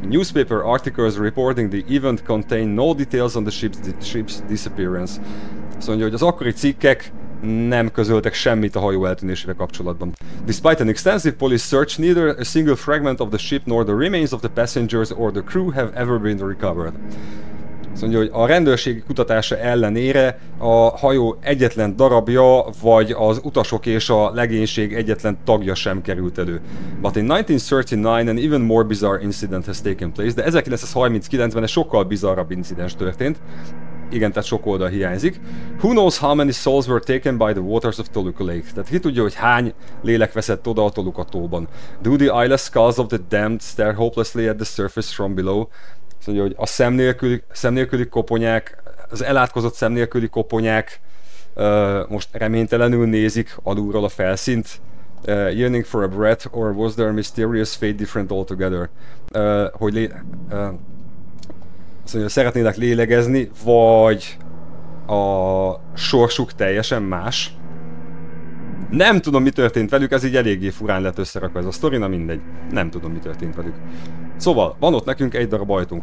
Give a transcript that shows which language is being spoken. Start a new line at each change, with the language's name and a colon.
English: Newspaper articles reporting the event contain no details on the ship's disappearance.
Hungarian: Azt mondja, hogy az akkori cikkek nem közöltek semmit a hajó eltűnésével kapcsolatban.
English: Despite an extensive police search, neither a single fragment of the ship nor the remains of the passengers or the crew have ever been recovered.
Hungarian: Azt mondja, hogy a rendőrségi kutatása ellenére a hajó egyetlen darabja, vagy az utasok és a legénység egyetlen tagja sem került elő.
English: But in 1939 an even more bizarre incident has taken place.
Hungarian: De 1939-ben egy sokkal bizarrabb incidens történt. Igen, tehát sok oldal hiányzik.
English: Who knows how many souls were taken by the waters of Toluca Lake?
Hungarian: Tehát ki tudja, hogy hány lélek veszett oda a Toluca-tóban.
English: Do the eyeless skulls of the damned stare hopelessly at the surface from below?
Hungarian: Mondja, hogy a szemnélküli koponyák, az elátkozott szemnélküli koponyák most reménytelenül nézik alulról a felszínt.
English: Yearning for a breath, or was their mysterious fate different altogether?
Hungarian: Mondja, hogy szeretnének lélegezni, vagy a sorsuk teljesen más. Nem tudom, mi történt velük, ez így eléggé furán lett összerakva ez a sztori, na mindegy. Nem tudom, mi történt velük. Szóval, van ott nekünk egy darab ajtunk.